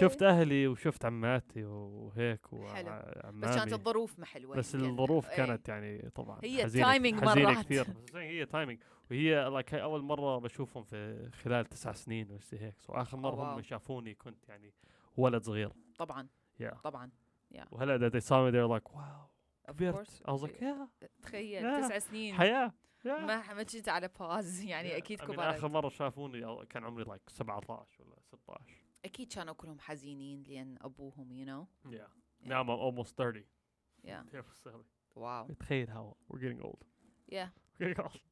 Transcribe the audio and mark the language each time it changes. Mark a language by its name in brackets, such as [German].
[Arabic] شفت أهلي وشفت عماتي وهيك وعمامي بس كانت الظروف ما حلوة بس الظروف كانت يعني طبعا هي تايمينج مرات حزينة كثير هي تايمينج وهي like هاي أول مرة بشوفهم في خلال 9 سنين وشي هيك سو آخر مرة هم شافوني كنت يعني ولد صغير طبعا [English] yeah. [Arabic] طبعا وهلأ [English] that they saw me they're like wow [Arabic] كبرت [English] I was like yeah [Arabic] تخيل yeah. 9 سنين حياة Yeah. ما كنت على باز يعني yeah. اكيد كبرت اخر مره شافوني كان عمري لايك 17 ولا 16 اكيد كانوا كلهم حزينين لان ابوهم [English] you know [Arabic] يا نعم [English] I'm almost 30 yeah [Arabic] كيف صار واو تخيل هاو [English] we're getting old yeah getting old